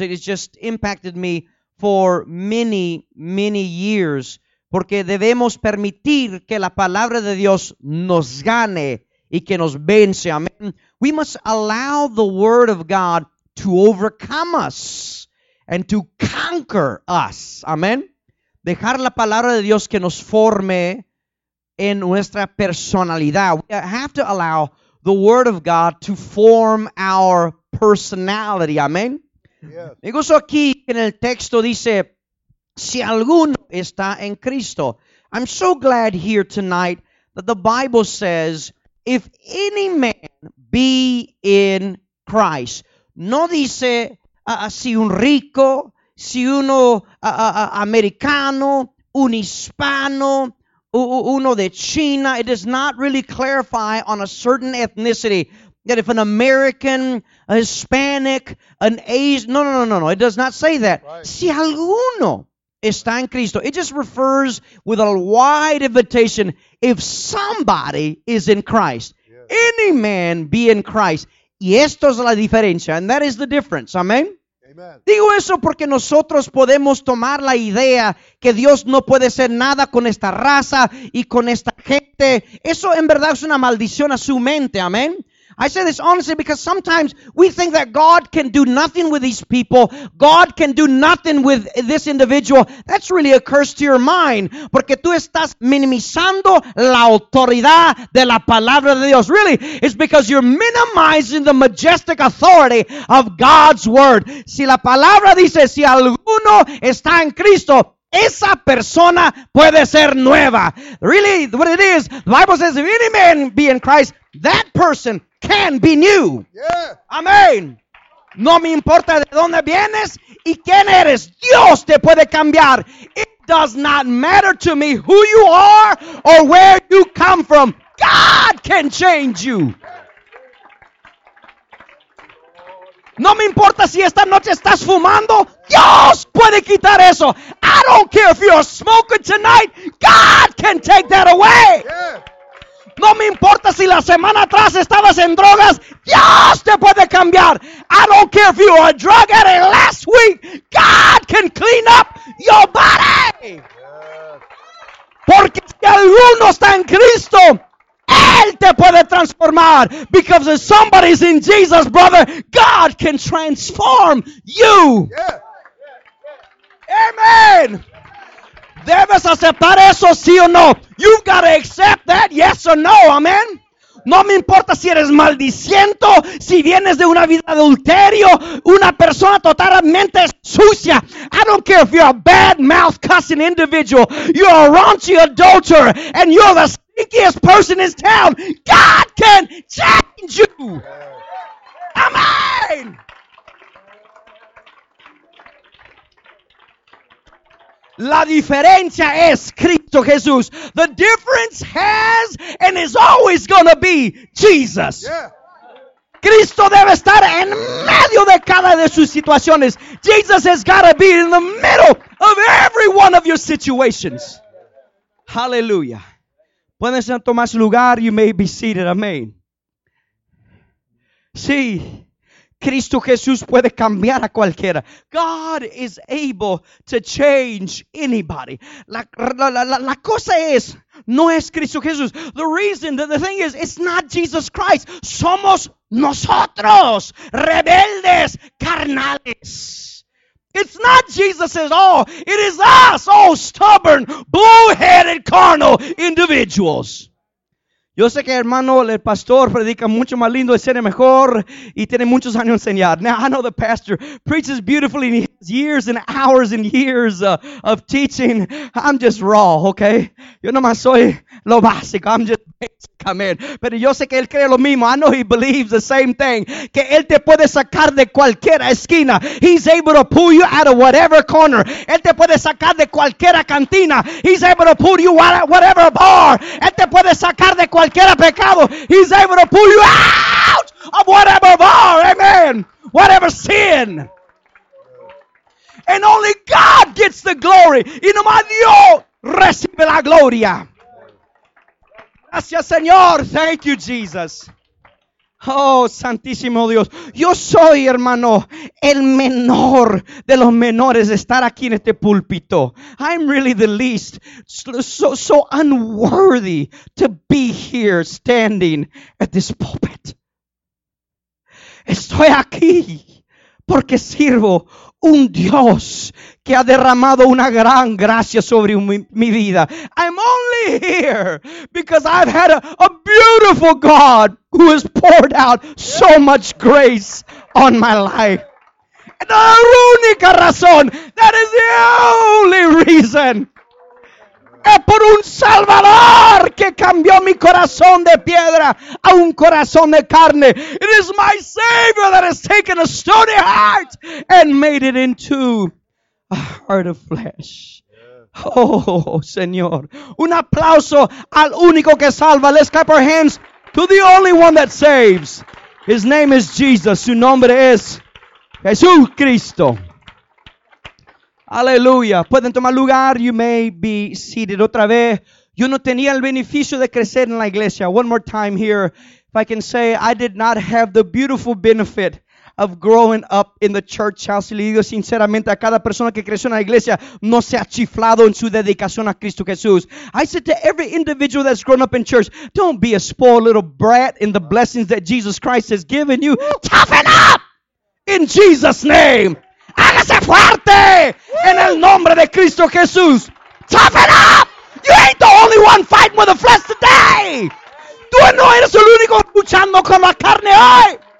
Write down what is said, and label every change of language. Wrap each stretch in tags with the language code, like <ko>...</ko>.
<en>It has just impacted me for many, many years.</en> <es>Porque debemos permitir que la palabra de Dios nos gane y que nos vence. Amen.</es> <en>We must allow the word of God to overcome us and to conquer us. Amen.</en> <es>Dejar la palabra de Dios que nos forme en nuestra personalidad.</es> <en>We have to allow the word of God to form our personality. Amen. Yes.</en> <es>Me gusta aquí en el texto dice, si alguno está en Cristo.</es> <en>I'm so glad here tonight that the Bible says, if any man be in Christ.</en> <es>No dice, si un rico, si uno americano, un hispano, uno de China.</es> <en>It does not really clarify on a certain ethnicity that if an American, a Hispanic, an Asian, no. It does not say that. Right.</en> <es>Si alguno está en Cristo.</es> <en>It just refers with a wide invitation. If somebody is in Christ, yes. Any man be in Christ.</en> <es>Y esto es la diferencia.</es> <en>And that is the difference. Amen. Amen.</en> <es>Digo eso porque nosotros podemos tomar la idea que Dios no puede hacer nada con esta raza y con esta gente. Eso en verdad es una maldición a su mente. Amen.</es> <en>I say this honestly because sometimes we think that God can do nothing with these people. God can do nothing with this individual. That's really a curse to your mind.</en> <es>Porque tú estás minimizando la autoridad de la palabra de Dios.</es> <en>Really, it's because you're minimizing the majestic authority of God's word.</en> <es>Si la palabra dice, si alguno está en Cristo, esa persona puede ser nueva.</es> <en>Really, what it is, the Bible says, if any man be in Christ, that person can be new. Yeah. Amen.</en> <es>No me importa de dónde vienes y quién eres. Dios te puede cambiar.</es> <en>It does not matter to me who you are or where you come from. God can change you.</en> <es>No me importa si esta noche estás fumando. Dios puede quitar eso.</es> <en>I don't care if you're smoking tonight. God can take that away. Yeah.</en> <es>No me importa si la semana atrás estabas en drogas. Dios te puede cambiar.</es> <en>I don't care if you were a drug addict last week. God can clean up your body.</en> <es>Porque si alguno está en Cristo, Él te puede transformar.</es> <en>Because if somebody's in Jesus, brother, God can transform you. Amen.</en> <es>Debes aceptar eso, sí o no.</es> <en>You've got to accept that, yes or no, amen.</en> <es>No me importa si eres maldiciento, si vienes de una vida de adulterio, una persona totalmente sucia.</es> <en>I don't care if you're a bad mouth cussing individual, you're a raunchy adulterer, and you're the stinkiest person in town. God can change you. Amen.</en> <es>La diferencia es Cristo Jesús.</es> <en>The difference has and is always going to be Jesus. Yeah.</en> <es>Cristo debe estar en medio de cada de sus situaciones.</es> <en>Jesus has got to be in the middle of every one of your situations. Yeah. Hallelujah.</en> <es>Puedes tomar su lugar.</es> <en>You may be seated. Amen. Sí.</en> <es>Cristo Jesús puede cambiar a cualquiera.</es> <en>God is able to change anybody.</en> <es>La cosa es, no es Cristo Jesús.</es> <en>The reason, the thing is, it's not Jesus Christ.</en> <es>Somos nosotros, rebeldes, carnales.</es> <en>It's not Jesus at all. It is us, oh stubborn, blue-headed, carnal individuals.</en> <es>Yo sé que hermano, el pastor predica mucho más lindo, enseña mejor y tiene muchos años enseñar.</es> <en>Now, I know the pastor preaches beautifully and he has years and hours and years of teaching. I'm just raw, okay?</en> <es>Yo nomás soy lo básico.</es> <en>I'm just basic, amen.</en> <es>Pero yo sé que él cree lo mismo.</es> <en>I know he believes the same thing.</en> <es>Que él te puede sacar de cualquier esquina.</es> <en>He's able to pull you out of whatever corner.</en> <es>Él te puede sacar de cualquier cantina.</es> <en>He's able to pull you out of whatever bar.</en> <es>Él te puede sacar de cualquier pecado.</es> <en>He's able to pull you out of whatever bar. Amen. Whatever sin. And only God gets the glory.</en> <es>Y nomás Dios recibe la gloria. Gracias, Señor.</es> <en>Thank you, Jesus.</en> <es>Oh, Santísimo Dios. Yo soy, hermano, el menor de los menores de estar aquí en este púlpito.</es> <en>I'm really the least, so unworthy to be here standing at this pulpit.</en> <es>Estoy aquí porque sirvo un Dios que ha derramado una gran gracia sobre mi vida.</es> <en>I'm only here because I've had a beautiful God who has poured out so much grace on my life.</en> <es>And the única razón,</es> <en>that is the only reason,</en> <es>es por un Salvador que cambió mi corazón de piedra a un corazón de carne.</es> <en>It is my Savior that has taken a stony heart and made it into a heart of flesh. Yeah.</en> <es>Oh, Señor. Un aplauso al único que salva.</es> <en>Let's clap our hands to the only one that saves. His name is Jesus.</en> <es>Su nombre es Jesucristo. Aleluya. Pueden tomar lugar.</es> <en>You may be seated.</en> <es>Otra vez. Yo no tenía el beneficio de crecer en la iglesia.</es> <en>One more time here. If I can say, I did not have the beautiful benefit of growing up in the church house.</en> <es>Y le digo sinceramente a cada persona que creció en la iglesia, no se ha chiflado en su dedicación a Cristo Jesús.</es> <en>I said to every individual that's grown up in church, don't be a spoiled little brat in the blessings that Jesus Christ has given you. Toughen up! In Jesus' name!</en> <es>Hágase fuerte! En el nombre de Cristo Jesús!</es> <en>Toughen up! You ain't the only one fighting with the flesh today!</en> <es>Tú no eres el único luchando con la carne hoy!</es>